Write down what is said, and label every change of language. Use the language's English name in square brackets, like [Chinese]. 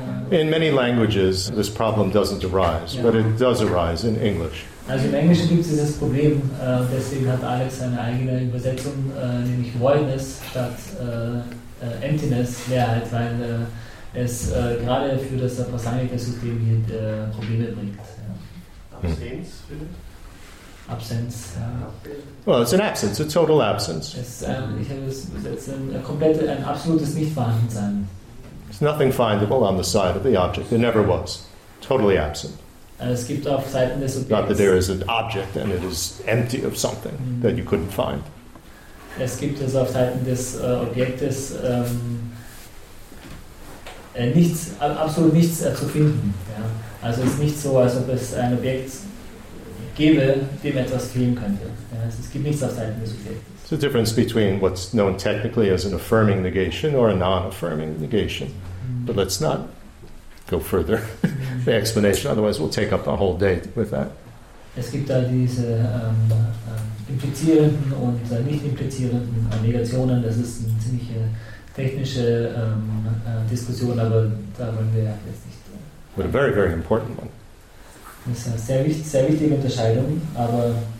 [English] In many languages, this problem doesn't arise, but it does arise in English. [German] Also im Englischen gibt es das Problem, deswegen hat Alex seine eigene Übersetzung, nämlich Voidness statt Emptiness, Leerheit, weil es gerade für das Prasangika-System hier Probleme bringt. [English] Absence, Absence, Well, it's an absence, a total absence. [German] Es, ich habe das übersetzt, ein absolutes Nichtvorhandensein. [English] There's nothing findable on the side of the object. There never was. Totally absent. [German] Es gibt auf Seiten des Objekts. [English] Not that there is an object and it is empty of something that you couldn't find. [German] Es gibt es auf Seiten des Objektes nichts, absolut nichts zu finden. Ja? Also es ist nicht so, als ob es ein Objekt gäbe, dem etwas fehlen könnte. Ja? Also es gibt nichts auf Seiten des Objektes. [English] The difference between what's known technically as an affirming negation or a non-affirming negation. But let's not go further the explanation, otherwise we'll take up a whole day with that. [German] Es gibt da diese implizierenden und nicht implizierenden Negationen. Das ist eine ziemliche technische Diskussion, aber da wollen wir jetzt nicht. [English] But a very, very important one. [German] Das ist eine sehr, sehr wichtige Unterscheidung, aber